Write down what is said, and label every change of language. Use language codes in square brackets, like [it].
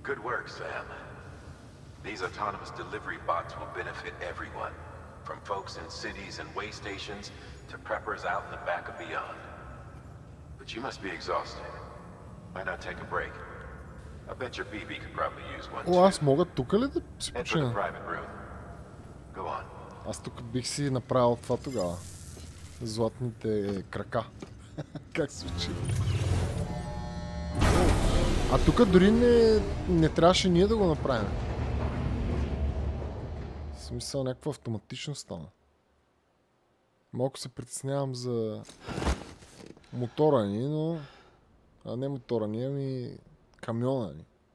[en] Good work, Sam. These autonomous delivery bots will benefit everyone, from folks in cities and way stations to preppers out in the back of beyond. But you must be exhausted. Why not take a break? I bet your BB could probably use one too. [bg] О, аз мога тук ли да си почина? [en] Enter the private room. Go on. [bg] Аз тук бих си направил това тогава. Златните крака. Как се учи? А тук дори не трябваше ние да го направим. В смисъл, някаква автоматичност стана. Малко се притеснявам за мотора ни, но... А не мотора ни, ами камиона ни.